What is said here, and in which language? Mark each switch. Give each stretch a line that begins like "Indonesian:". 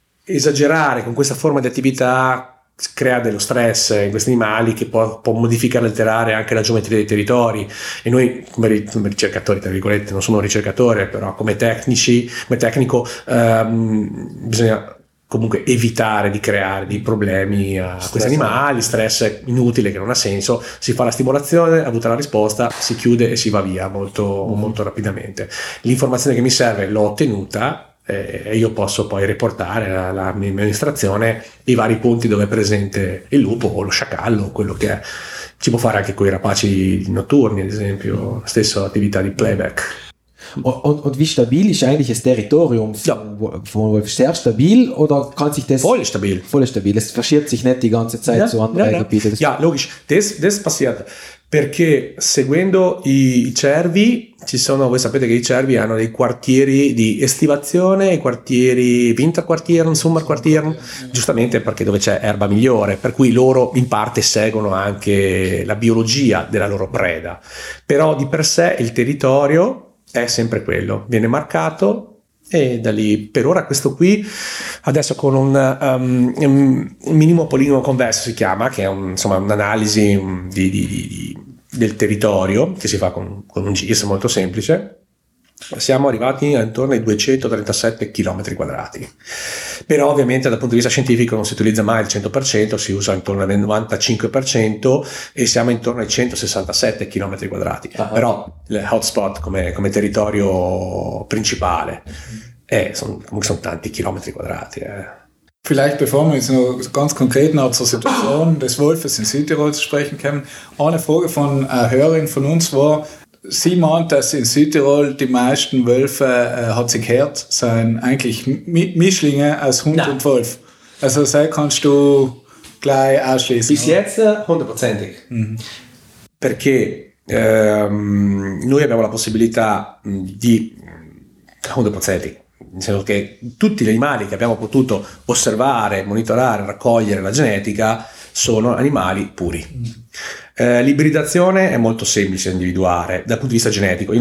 Italian: Esagerare con questa forma di attività crea dello stress in questi animali, che può modificare e alterare anche la geometria dei territori, e noi come ricercatori, tra virgolette, non sono un ricercatore, però come tecnico bisogna comunque evitare di creare dei problemi a questi animali, stress inutile che non ha senso, si fa la stimolazione, ha avuto la risposta, si chiude e si va via molto, molto rapidamente. L'informazione che mi serve l'ho ottenuta e io posso poi riportare alla mia amministrazione i vari punti dove è presente il lupo o lo sciacallo, quello che è. Si può fare anche con i rapaci notturni, ad esempio, la stessa attività di playback.
German: Und wie stabil ist eigentlich das Territorium von Wolf? Sehr stabil oder kann sich das... Voll stabil. Voll stabil. Es verschiebt sich nicht die ganze Zeit zu anderen Gebieten. Ja, logisch. Das passiert.
Italian: Perché seguendo i cervi, voi sapete che i cervi hanno dei quartieri di estivazione, i quartieri winterquartier, summerquartier, giustamente perché dove c'è erba migliore, per cui loro in parte seguono anche la biologia della loro preda. Però di per sé il territorio è sempre quello, viene marcato e da lì per ora questo qui, adesso con un minimo poligono convesso si chiama, che è un'analisi del territorio che si fa con un GIS molto semplice, siamo arrivati intorno ai 237 km quadrati, però ovviamente dal punto di vista scientifico non si utilizza mai il 100%, si usa intorno al 95% e siamo intorno ai 167 km quadrati, però il hotspot come territorio principale, comunque sono tanti chilometri quadrati.
German: Vielleicht bevor wir jetzt noch ganz konkret noch zur Situation des Wolfes in Südtirol zu sprechen kommen, eine Frage von einer Hörerin von uns war, sie meint, dass in Südtirol die meisten Wölfe, hat sie gehört, seien eigentlich Mischlinge aus Hund und Wolf. Also das kannst du gleich ausschließen. Bis jetzt hundertprozentig.
Italian: Perché noi abbiamo la possibilità di 100%, nel senso che tutti gli animali che abbiamo potuto osservare, monitorare, raccogliere la genetica sono animali puri. L'ibridazione è molto semplice da individuare dal punto di vista genetico.